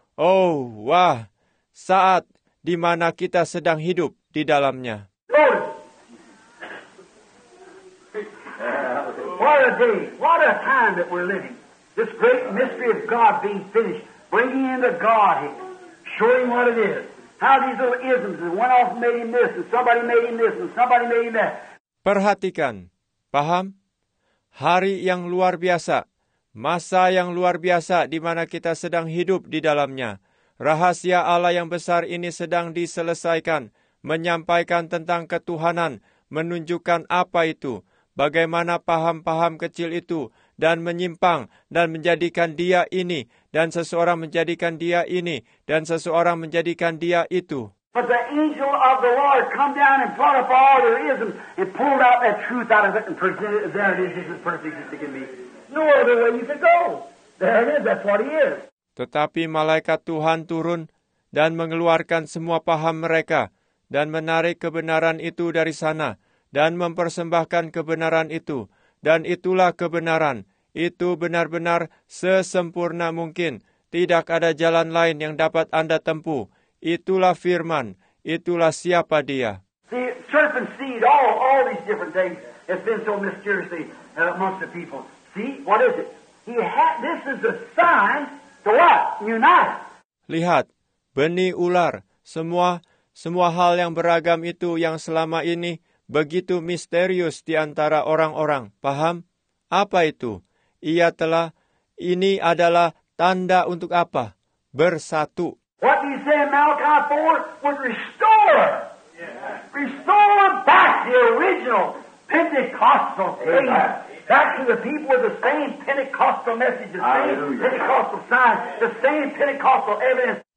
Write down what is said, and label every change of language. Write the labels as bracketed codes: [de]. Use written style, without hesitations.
[id] Oh, wah, saat di mana kita sedang hidup di dalamnya. [en] What a day, what a time that we're living. This great mystery of God being finished. Bringing into God, showing what it is. How these little isms, and one off made him this, and somebody made him this, and somebody made him that. [id] Perhatikan, paham? Hari yang luar biasa, masa yang luar biasa di mana kita sedang hidup di dalamnya. Rahasia Allah yang besar ini sedang diselesaikan, menyampaikan tentang ketuhanan, menunjukkan apa itu, bagaimana paham-paham kecil itu, dan menyimpang, dan menjadikan dia ini, dan seseorang menjadikan dia ini, dan seseorang menjadikan dia itu. [en] But the angel of the Lord come down and brought up all their isms and pulled out that truth out of it and presented it. There it is, this is perfect as it can be. No other way you could go. There it is, that's what he is. [id] Tetapi malaikat Tuhan turun dan mengeluarkan semua paham mereka dan menarik kebenaran itu dari sana dan mempersembahkan kebenaran itu. Dan itulah kebenaran. Itu benar-benar sesempurna mungkin. Tidak ada jalan lain yang dapat Anda tempuh. Itulah firman, itulah siapa dia. [en] See, serpent seed, all these different things have been so mysteriously amongst the people. See, what is it? This is a sign to what? Unite. [id] Lihat, benih ular, semua hal yang beragam itu yang selama ini begitu misterius di antara orang-orang. Paham? Apa itu? Ini adalah tanda untuk apa? Bersatu. [en] What do you say Malachi 4 would restore? Yeah. Restore back the original Pentecostal thing. Back to the people with the same Pentecostal message, the same Pentecostal sign, the same Pentecostal evidence.